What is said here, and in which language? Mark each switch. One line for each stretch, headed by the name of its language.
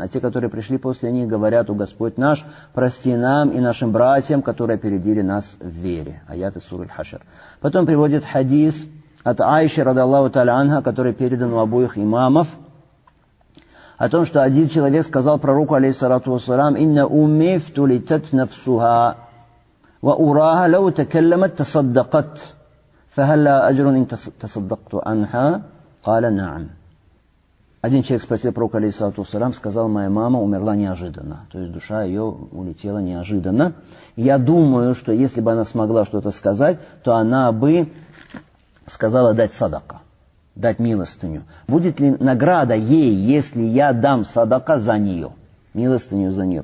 Russian: А те, которые пришли после них, говорят: «О Господь наш, прости нам и нашим братьям, которые опередили нас в вере». Аят из суры аль-Хашр. Потом приводит хадис от Аиши, ради Аллаху Та'аля анха, который передан у обоих имамов, о том, что один человек сказал пророку, алейхиссалату вассалам, «Инна умифту литат нафсуха».
Arabic: وأراها لو تكلمت تصدقت فهل لا أجر إن تصدقت عنها قال نعم.
Russian: Один человек спросил пророка алейхиссалату вассалям, сказал, моя мама умерла неожиданно, то есть душа ее улетела неожиданно. Я думаю, что если бы она смогла что-то сказать, то она бы сказала дать садака, дать милостыню. Будет ли награда ей, если я дам садака за нее, милостыню за нее?